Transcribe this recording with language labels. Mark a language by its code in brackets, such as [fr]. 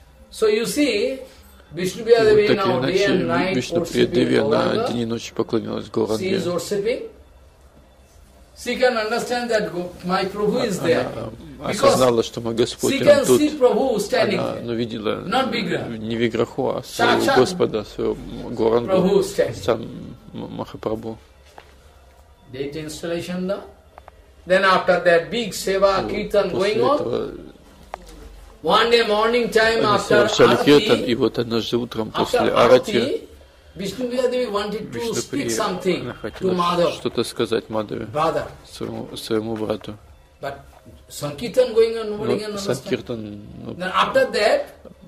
[en] So you see, Vishnu Priyadevi now day and night worshipping Gauranga. She is worshipping. She can understand that my Prabhu is there. [ru] Осознала, что мой Господь там тут. Она видела не Виграху, а своего Господа, своего Гаурангу, сам Махапрабху. [en] Date installation, да? Then after that big seva kirtan going on. One day morning time after arati. [ru] И вот однажды утром после арати. [en] Vishnu Priyadevi wanted to speak something to Madhava. [ru] Что-то сказать Мадхаве. Своему брату. [en] But sankirtan going on, nobody can understand. Sankirtan. Then after that.